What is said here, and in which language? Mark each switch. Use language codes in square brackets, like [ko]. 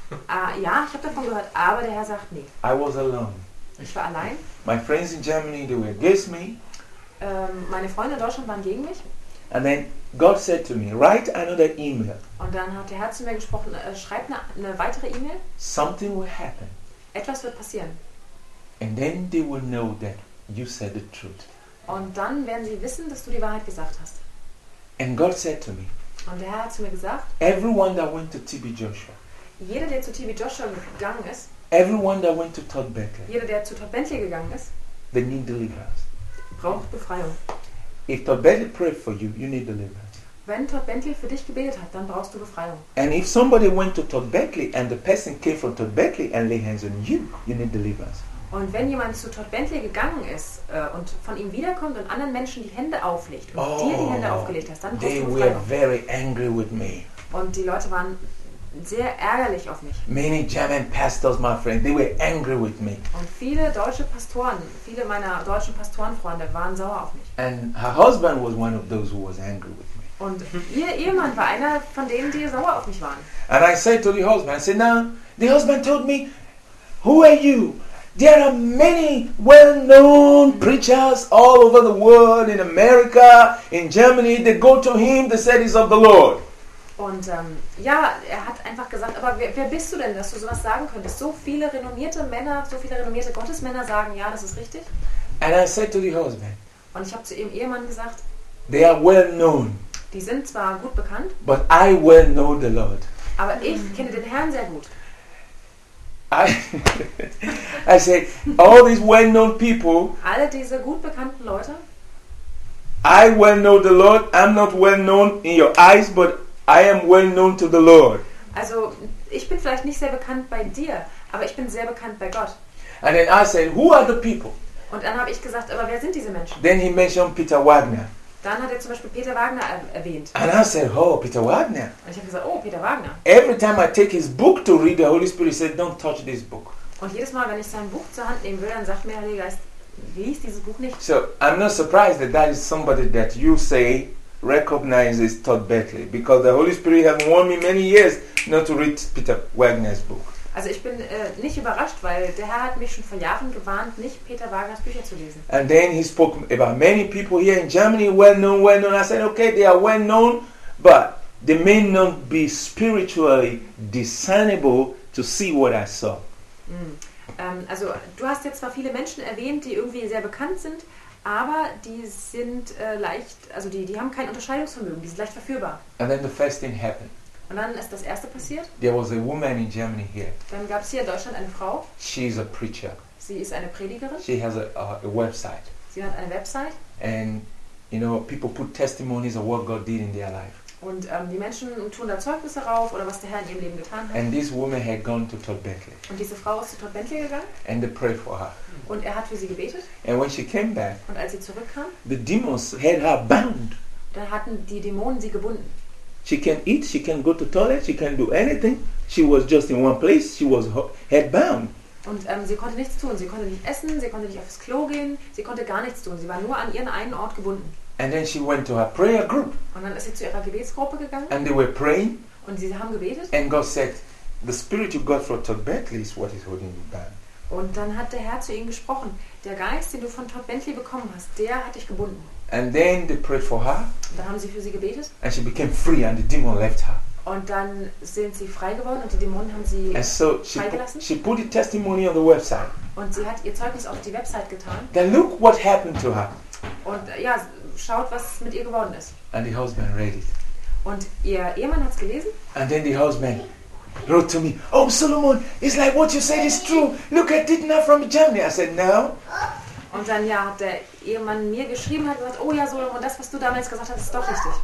[de] Ja, ich habe davon gehört, aber der Herr sagt nee. [en] I was alone. [de] Ich war allein. [en] My friends in Germany, they were against me. [de] Meine Freunde in Deutschland waren gegen mich. [en] And then God said to me, "Write another email." [de] Und dann hat der Herr zu mir gesprochen, schreib eine weitere E-Mail. [en] Something will happen. [de] Etwas wird passieren. [en] And then they will know that you said the truth. [de] Und dann werden sie wissen, dass du die Wahrheit gesagt hast. [en] And God said to me. [de] Und der Herr hat zu mir gesagt. [en] Everyone that went to TB Joshua. [de] Jeder, der zu TB Joshua gegangen ist. [en] Everyone that went to Todd Bentley. [de] Jeder, der zu Todd Bentley gegangen ist. [en] They need deliverance. [de] Braucht Befreiung. [en] If Todd Bentley prayed for you, you need deliverance. [de] Wenn Todd Bentley für dich gebetet hat, dann brauchst du Befreiung. [en] And if somebody went to Todd Bentley and the person came from Todd Bentley and laid hands on you, you need deliverance. [de] Und wenn jemand zu Todd Bentley gegangen ist und von ihm wiederkommt und anderen Menschen die Hände auflegt und dir die Hände aufgelegt hast, dann brauchst du Befreiung. [en] They were very angry with me. [de] Und die Leute waren sehr ärgerlich auf mich. [en] Many German pastors, my friend, they were angry with me. [de] Und viele deutsche Pastoren, viele meiner deutschen Pastorenfreunde waren sauer auf mich. [en] And her husband was one of those who was angry with me. [de] Und ihr Ehemann war einer von denen, die sauer auf mich waren. [en] And I said to the husband, I said, "Now, the husband told me, 'Who are you? There are many well-known preachers all over the world, in America, in Germany. They go to him, they say he's of the Lord.'" [de] Und ja, er hat einfach gesagt, aber wer bist du denn, dass du sowas sagen könntest? So viele renommierte Männer, so viele renommierte Gottesmänner sagen, ja, das ist richtig. [en] And I said to the husband, [de] und ich habe zu ihrem Ehemann gesagt, [en] they are well known, [de] die sind zwar gut bekannt, [en] but I well know the Lord. [de] Aber ich kenne den Herrn sehr gut. [en] I said, all these well-known people, [de] alle diese gut bekannten Leute, [en] I well know the Lord, I'm not well known in your eyes, but I am well known to the Lord. [de] Also, ich bin vielleicht nicht sehr bekannt bei dir, aber ich bin sehr bekannt bei Gott. [en] And then I said, who are the people? [de] Und dann habe ich gesagt, aber wer sind diese Menschen? [en] Then he mentioned Peter Wagner. [de] Dann hat er zum Beispiel Peter Wagner erwähnt. [en] And I said, oh, Peter Wagner. [de] Und ich habe gesagt, oh, Peter Wagner. [en] Every time I take his book to read, the Holy Spirit said, don't touch this book. [de] Und jedes Mal, wenn ich sein Buch zur Hand nehmen will, dann sagt mir der Heilige Geist, lies dieses Buch nicht. [en] So, I'm not surprised that that is somebody that you say recognizes Todd Bentley, because the Holy Spirit has warned me many years not to read Peter Wagner's book. [de] Also ich bin nicht überrascht, weil der Herr hat mich schon vor Jahren gewarnt, nicht Peter Wagners Bücher zu lesen. [en] And then he spoke about many people here in Germany, well known. I said, okay, they are well known, but they may not be spiritually discernible to see what I saw. [de] Also du hast jetzt zwar viele Menschen erwähnt, die irgendwie sehr bekannt sind, aber die sind leicht, also die haben kein Unterscheidungsvermögen, die sind leicht verführbar. [en] And then the first thing happened. [de] Und dann ist das erste passiert. [en] There was a woman in Germany here. [de] Dann gab es hier in Deutschland eine Frau. [en] She is a preacher. [de] Sie ist eine Predigerin. [en] She has a website. [de] Sie hat eine Website. [en] And you know, people put testimonies of what God did in their life. [de] Und die Menschen tun da Zeugnisse rauf oder was der Herr in ihrem Leben getan hat. [en] And this woman had gone to Todd Bentley. [de] Und diese Frau ist zu Todd Bentley gegangen. [en] And they prayed for her. [de] Und er hat für sie gebetet. [en] And when she came back, [de] und als sie zurückkam, [en] the demons had her bound. [de] Da hatten die Dämonen sie gebunden. [en] She can eat, she can go to toilet, she can do anything. She was just in one place. She was head bound. [de] Und sie konnte nichts tun. Sie konnte nicht essen. Sie konnte nicht aufs Klo gehen. Sie konnte gar nichts tun. Sie war nur an ihren einen Ort gebunden. [en] And then she went to her prayer group. [de] Und dann ist sie zu ihrer Gebetsgruppe gegangen. [en] And they were praying. [de] Und sie haben gebetet. [en] And God said, the spirit you got from Todd Bentley is what is holding you bound. [de] Und dann hat der Herr zu ihnen gesprochen. Der Geist, den du von Todd Bentley bekommen hast, der hat dich gebunden. [en] And then they prayed for her. [de] Dann haben sie für sie gebetet. [en] And she became free and the demon left her. [de] Und dann sind sie frei geworden und die Dämonen haben sie freigelassen. [en] She put the testimony on the website. [de] Und sie hat ihr Zeugnis auf die Website getan. [en] Then look what happened to her. [de] Und ja, schaut, was mit ihr geworden ist. [en] And the husband read it. [de] Und ihr Ehemann hat es gelesen. [en] And then the husband wrote to me, oh Solomon, it's like what you said is true. Look at it now from Germany. I said, no. [de] Und dann ja, hat der Ehemann mir geschrieben und hat gesagt, oh ja, Solomon, das, was du damals gesagt hast, ist doch richtig.